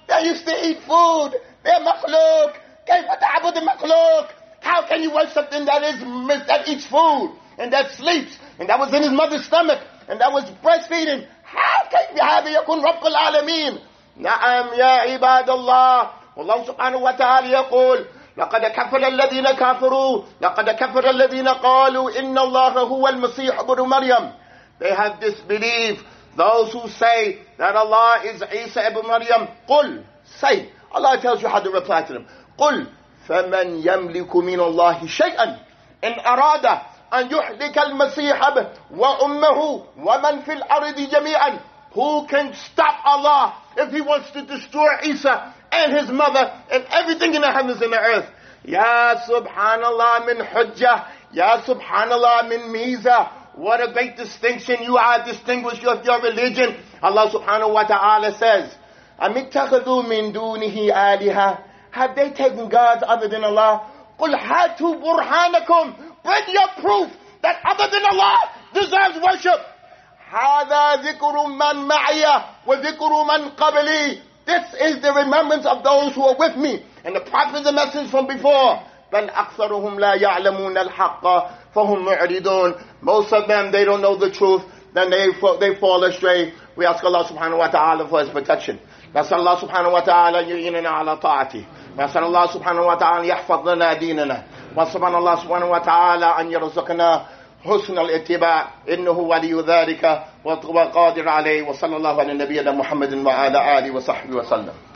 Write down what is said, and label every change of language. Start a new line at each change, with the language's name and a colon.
English: They used to eat food. They're makhluk.
Arabic: كيف تعبد المخلوق.
English: How can you worship them that eats food and that sleeps and that was in his mother's stomach and that was breastfeeding? How can you have
Arabic: يكون رب العالمين. نعم يا عباد الله. والله سبحانه وتعالى يقول لقد كفر الذين كفروا لقد كفر الذين قالوا إن الله هو المسيح ابن مريم.
English: They have disbelieved those who say that Allah is Isa ibn Maryam.
Arabic: قل.
English: Say. Allah tells you how to reply to them.
Arabic: قل فمن يملك من الله شيئا إن أراد أن يحلك المسيح وأمه ومن في الأرض جميعا.
English: Who can stop Allah if he wants to destroy Isa and his mother and everything in the heavens and the earth?
Arabic: يا سبحان الله من حجة يا سبحان الله من ميزة.
English: What a great distinction you are distinguished of your religion. Allah subhanahu wa ta'ala says,
Arabic: أم اتخذوا من دونه آلهة.
English: Have they taken gods other than Allah?
Arabic: قُلْ هَاتُوا بُرْحَانَكُمْ.
English: Bring your proof that other than Allah deserves worship.
Arabic: هَذَا ذِكْرٌ مَنْ مَعِيَ وَذِكْرٌ مَنْ قَبْلِي.
English: This is the remembrance of those who are with me. And the prophet is a message from before.
Arabic: بَلْ أَكْثَرُهُمْ لَا يَعْلَمُونَ الْحَقَّ فَهُمْ مُعْرِضُونَ.
English: Most of them, they don't know the truth. Then they fall astray. We ask Allah subhanahu wa ta'ala for His protection.
Arabic: نسأل الله سبحانه وتعالى يعيننا على طاعته. نسأل الله سبحانه وتعالى يحفظنا ديننا. وسبحان الله سبحانه وتعالى أن يرزقنا حسن الاتباع. إنه ولي ذلك وقادر عليه. وصلى الله على نبينا محمد وعلى آله وصحبه وسلم.